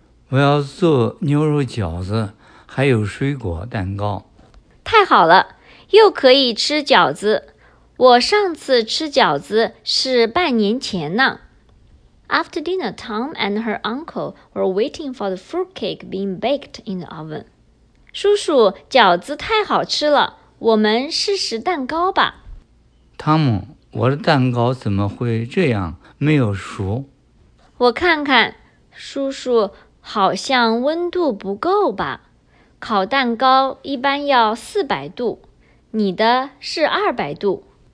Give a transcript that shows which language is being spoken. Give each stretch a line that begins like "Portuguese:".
Chinese: 我要做牛肉饺子，还有水果蛋糕。太好了，又可以吃饺子。我上次吃饺子是半年前呢。
English: After dinner, Tom and her uncle were waiting for the fruitcake being baked in the oven.
Chinese: 叔叔，饺子太好吃了，我们试试蛋糕吧。汤姆，我的蛋糕怎么会这样，没有熟？我看看，叔叔，好像温度不够吧？烤蛋糕一般要400度，你的是200度。